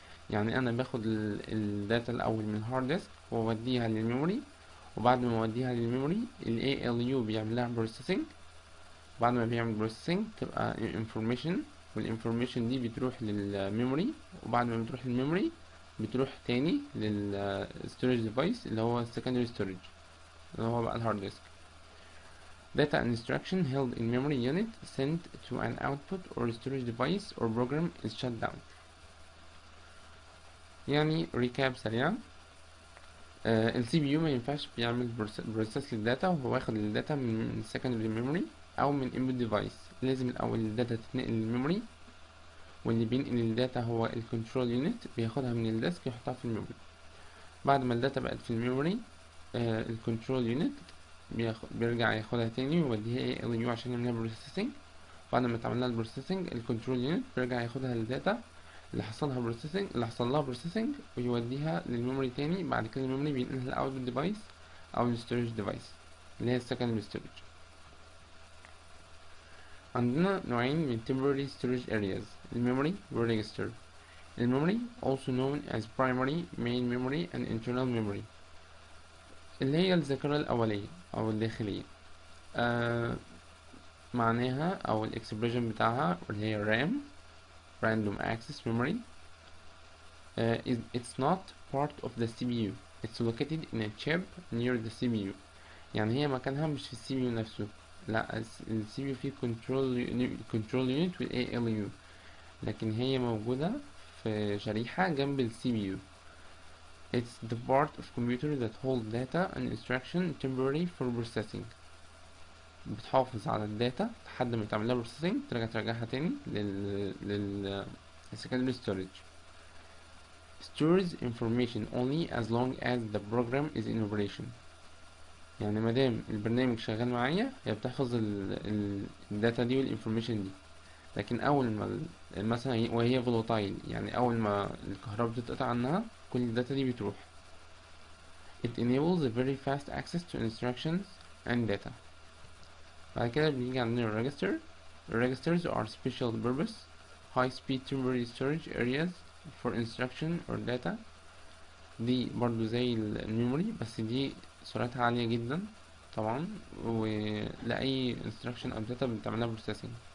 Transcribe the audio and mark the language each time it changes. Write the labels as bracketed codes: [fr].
[ar] يعني أنا باخد ال data الأول من hard disk ووديها للميموري، وبعد ما وديها للميموري ال ALU بيعملها processing. بعد ما بيعمل processing تبقى information، وال information دي بتروح للميموري، وبعد ما بتروح للميموري بتروح تاني لل storage device اللي هو secondary storage اللي هو بقى ال hard disk. [en] Data instruction held in memory unit sent to an output or storage device or program is shut down. [ar] يعني recap سريعا، ال CPU ما ينفعش بيعمل process للداتا وهو واخد الداتا من secondary memory أو من input device. لازم الأول الداتا تتنقل للميموري، واللي بينقل الداتا هو ال control unit بياخدها من الديسك يحطها في الميموري. بعد ما الداتا بقت في الميموري ال control unit بيرجع ياخدها تاني ويوديها ALU عشان يعملها processing. بعد ما تعملها processing ال control unit بيرجع ياخدها الداتا اللي حصلها processing اللي حصلها processing ويوديها للميموري تاني. بعد كده الميموري بينقلها ل output device أو ال storage device اللي هي secondary storage. عندنا نوعين من temporary storage areas، الميموري والريجستر. الميموري [en] also known as primary main memory and internal memory [ar] اللي هي الذاكرة الأولية أو الداخلية، معناها أو ال expression بتاعها اللي هي RAM random access memory. [en] It's not part of the CPU. It's located in a chip near the CPU. [ar] يعني هي مكانها مش في CPU نفسه، لا ال CPU فيه control unit وال ALU، لكن هي موجودة في شريحة جنب ال CPU. [en] It's the part of computer that holds data and instruction temporarily for processing. [ar] بتحافظ على ال data لحد ما تعملها processing ترجعها تاني لل secondary storage. [en] Stores information only as long as the program is in operation. [ar] يعني مادام البرنامج شغال معايا هي بتحفظ ال data دي والinformation دي، لكن أول ما مثلا وهي volatile يعني أول ما الكهرباء بتتقطع عنها كل ال data دي بتروح. [en] It enables a very fast access to instructions and data. [ar] بعد كده بنيجي عندنا ال register. [en] Registers are special purpose high speed temporary storage areas for instruction or data. [ar] دي برضو زي ال memory بس دي سرعتها عالية جدا طبعا، ولأي instruction أو data بتعملها processing.